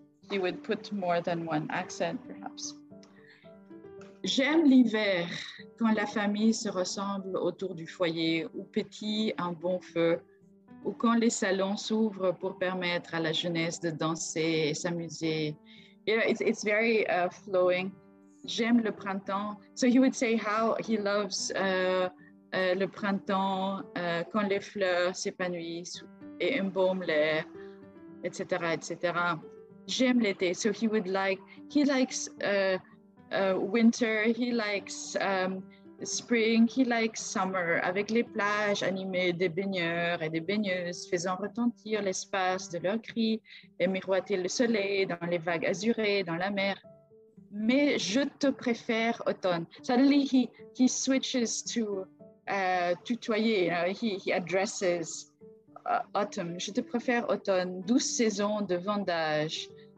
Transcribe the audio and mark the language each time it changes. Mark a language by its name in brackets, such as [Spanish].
[English] He would put more than one accent, perhaps. [French] J'aime l'hiver, quand la famille se ressemble autour du foyer, ou pétille un bon feu, ou quand les salons s'ouvrent pour permettre à la jeunesse de danser et s'amuser. [English] You know, it's very flowing. [French] J'aime le printemps. [English] So he would say how he loves [French] le printemps, quand les fleurs s'épanouissent et embaument l'air, etc., etc. J'aime l'été. [English] So he would like, he likes winter, he likes spring, he likes summer, [French] avec les plages animées des baigneurs et des baigneuses, faisant retentir l'espace de leurs cris et miroiter le soleil dans les vagues azurées, dans la mer. Mais je te préfère automne. [English] Suddenly he switches to tutoyer, you know, he addresses autumn. [French] Je te préfère automne, douce saison de vendage.